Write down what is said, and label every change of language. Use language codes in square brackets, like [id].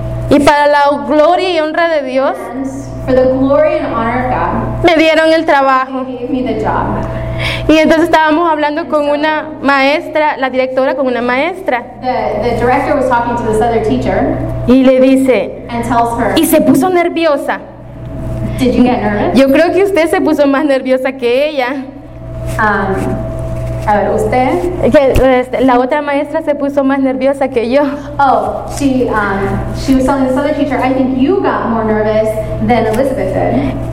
[es] Y para la gloria y honra de Dios, [en] for the glory and honor of God, [es] me dieron el trabajo. [en] They gave me the job. [es] Y entonces estábamos hablando con una maestra, la directora con una maestra. [en] The director was talking to this other teacher. [es] Y le dice, [en] and tells her, [es] y se puso nerviosa. [en] Did you get nervous? [es] Yo creo que usted se puso más nerviosa que ella. A ver, usted. Que, la otra maestra se puso más nerviosa que yo. [en] Oh, she was telling this other teacher, I think you got more nervous than Elizabeth did.